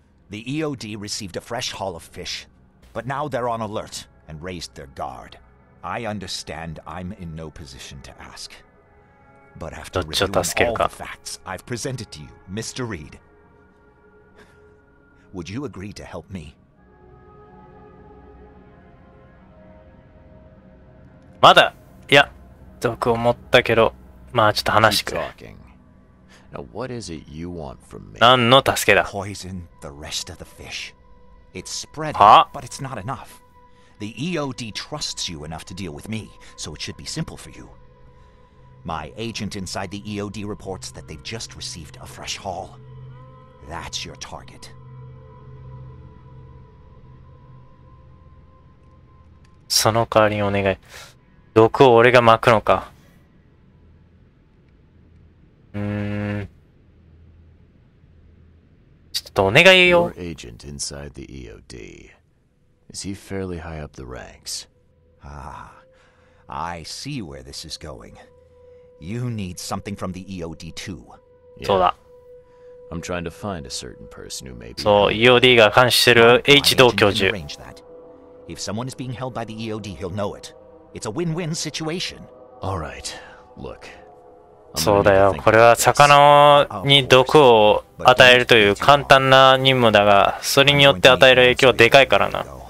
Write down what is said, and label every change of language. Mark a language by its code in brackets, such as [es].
[en] The EOD received a fresh haul of fish, but now they're on alert and raised their guard. I understand I'm in no position to ask. But after reviewing all the facts I've presented to you, Mr. Reed, would you agree to help me? [ja] まだ、いや、毒を持ったけど、まあちょっと話してくれ。 [en] Now, what is it you want from me? [ja] 何の助けだ? [en] Poison the rest of the fish. It's spreading, but it's not enough. The EOD trusts you enough to deal with me, so it should be simple for you. My agent inside the EOD reports that they've just received a fresh haul. That's your target. [ja] その代わりにお願い。毒を俺が撒くのか。ちょっとお願いよ。 [en] Your agent inside the EOD. Is he fairly high up the ranks? Ah, I see where this is going. You need something from the EOD too. Yeah. [ja] そうだ。 [en] I'm trying to find a certain person who may be. [ja] そう、EOD が監視してる H 道教授。 [en] If someone is being held by the EOD, he'll know it. It's a win-win situation. All right. Look. [ja] そうだよ。これは魚に毒を与えるという簡単な任務だが、それによって与える影響はでかいからな。